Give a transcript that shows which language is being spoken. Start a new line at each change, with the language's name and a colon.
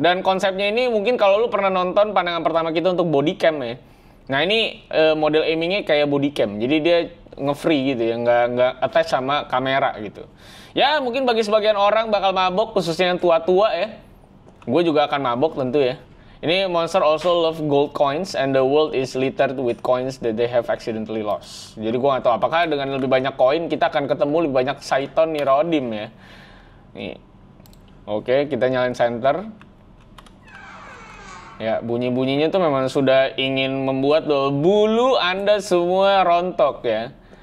Indonesian: Dan konsepnya ini mungkin kalau lu pernah nonton pandangan pertama kita untuk bodycam ya. Nah ini model aimingnya kayak bodycam. Jadi dia nge-free gitu ya. Nggak attach sama kamera gitu. Ya mungkin bagi sebagian orang bakal mabok, khususnya yang tua-tua ya. Gue juga akan mabok tentu ya.
English: Ini monster also love gold coins and the world is littered with coins that they have accidentally lost.
Indonesian: Jadi gua enggak tahu apakah dengan lebih banyak koin kita akan ketemu lebih banyak Saiton Nirodim ya. Nih. Oke, kita nyalain center. Ya, bunyi-bunyinya tuh memang sudah ingin membuat bulu Anda semua rontok ya.